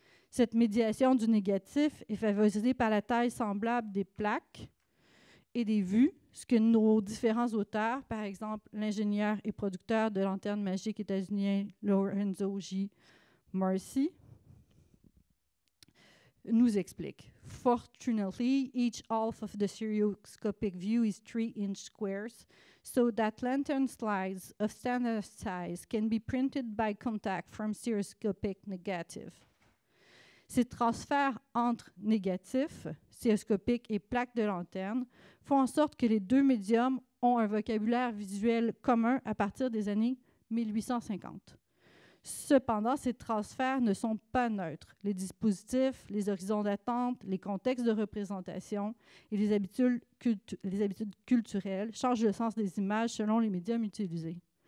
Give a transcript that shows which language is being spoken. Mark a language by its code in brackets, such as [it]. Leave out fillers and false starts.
[fr] Cette médiation du négatif est favorisée par la taille semblable des plaques et des vues, ce que nos différents auteurs, par exemple l'ingénieur et producteur de lanternes magiques états-unien Lorenzo G. Marcy, nous expliquent. [en] Fortunately, each half of the stereoscopic view is 3-inch squares, so that lantern slides of standard size can be printed by contact from stereoscopic negative. [fr] Ces transferts entre négatifs, stéréoscopiques et plaques de lanterne font en sorte que les deux médiums ont un vocabulaire visuel commun à partir des années 1850. Cependant, ces transferts ne sont pas neutres. Les dispositifs, les horizons d'attente, les contextes de représentation et les habitudes culturelles changent le sens des images selon les médiums utilisés.